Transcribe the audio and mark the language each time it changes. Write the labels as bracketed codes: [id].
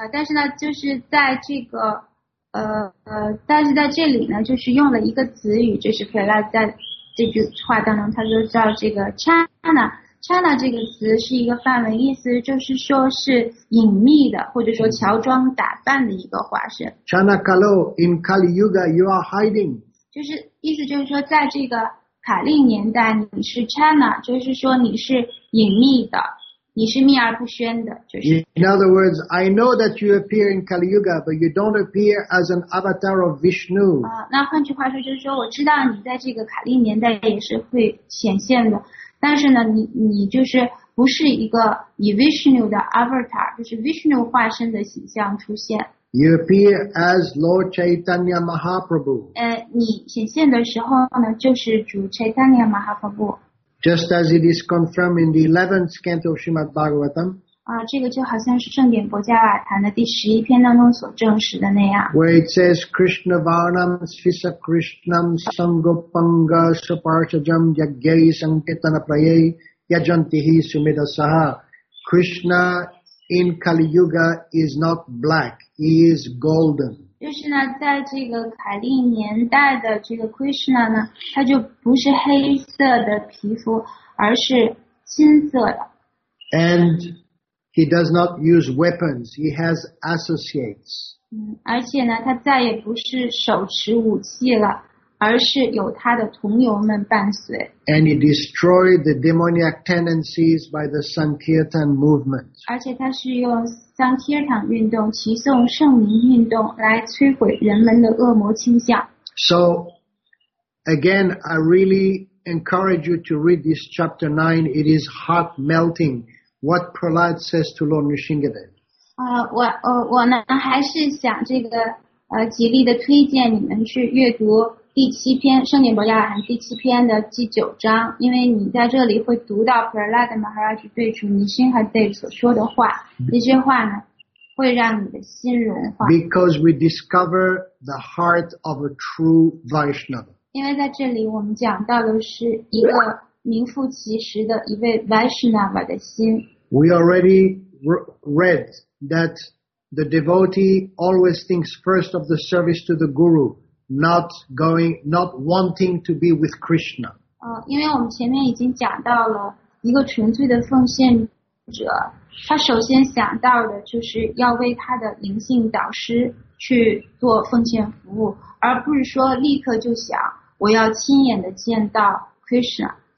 [zh] 但是呢，就是在这个但是在这里呢，就是用了一个词语，就是 Prahlad 在。这句话当中，他就叫这个 China。 China 这个词是一个梵文，意思就是说是隐秘的，或者说乔装打扮的一个化身。 [en] China Kalo in Kali Yuga, you are hiding. [zh] 就是意思就是说，在这个卡利年代，你是 China， 就是说你是隐秘的，你是秘而不宣的，就是。 [en] In other words, I know that you appear in Kali Yuga, but you don't appear as an avatar of Vishnu. [zh] 那换句话说就是说我知道你在这个卡利年代也是会显现的，但是呢，你就是不是一个以 Vishnu 的 avatar， 就是 Vishnu 化身的形象出现。 [en] You appear as Lord Chaitanya Mahaprabhu. [zh] 你显现的时候呢，就是主 Chaitanya Mahaprabhu。 [en] Just as it is confirmed in the 11th canto of Srimad Bhagavatam. [zh] 这个就好像是圣典博迦瓦坛的第十一篇当中所证实的那样。 [en] Where it says, [sa] Krishna Varnam Svisa Krishnam Sangopanga Saparsajam Yagyai Sanketana Praye Yajantihi Sumidasaha. [en] Krishna in Kali Yuga is not black, he is golden. [zh] 就是呢，在这个卡利年代的这个 Krishna 呢，他就不是黑色的皮肤，而是金色的。 [en] And he does not use weapons. He has associates. [zh] 而且呢，他再也不是手持武器了，而是有他的同游们伴随。 [en] And he destroyed the demoniac tendencies by the Sankirtan movement. [zh] 而且他是用。像提尔坦运动、齐颂圣名运动来摧毁人们的恶魔倾向。 [en] So, again, I really encourage you to read this chapter 9. It is heart melting what Prahlad says to Lord Nrisingadev. [zh] 我呢还是想这个极力的推荐你们去阅读第七篇圣典博迦瓦坛第七篇的第九章，因为你在这里会读到 Prahlad Maharaj 对主 Nrisingadev 所说的话，这些话呢会让你的心融化。 [en] Because we discover the heart of a true Vaishnava. [zh] 因为在这里我们讲到的是一个名副其实的一位 Vaishnava 的心。 [en] We already read that the devotee always thinks first of the service to the Guru, not wanting to be with Krishna. [zh] 因为我们前面已经讲到了一个纯粹的奉献者，他首先想到的就是要为他的灵性导师去做奉献服务，而不是说立刻就想我要亲眼的见到 Krishna。